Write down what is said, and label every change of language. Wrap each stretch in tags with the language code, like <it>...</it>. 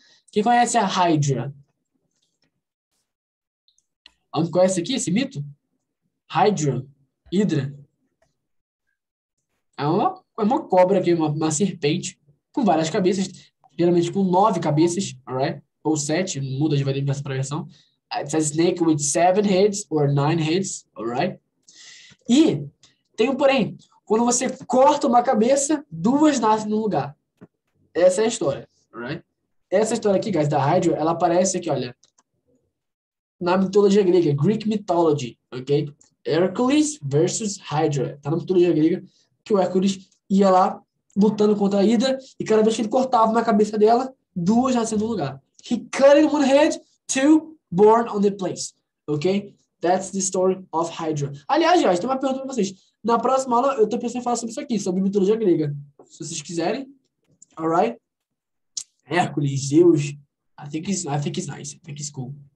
<pt>Quem conhece a Hydra? Alguém conhece aqui esse mito? Hydra. Hydra. É uma cobra aqui, uma serpente com várias cabeças. Geralmente com 9 cabeças, alright? Ou 7, muda de versão para versão.</pt> <en>It's a snake with 7 heads or 9 heads, alright?</en> <pt>E tem um porém. Quando você corta uma cabeça, duas nascem no lugar. Essa é a história, alright? Essa história aqui, guys, da Hydra, ela aparece aqui, olha. Na mitologia grega,</pt> <en>Greek mythology,</en> <pt>ok? Hercules versus Hydra. Tá na mitologia grega que o Hércules ia lá lutando contra a Hydra e cada vez que ele cortava uma cabeça dela, duas nasciam no lugar.</pt> <en>He cut in one head, 2 born on the place, ok? That's the story of Hydra.</en> <pt>Aliás, já, tem uma pergunta pra vocês. Na próxima aula, eu tô pensando em falar sobre isso aqui, sobre mitologia grega. Se vocês quiserem, alright? Hércules, Zeus,</pt> <en>I think it's nice, I think it's cool.</en>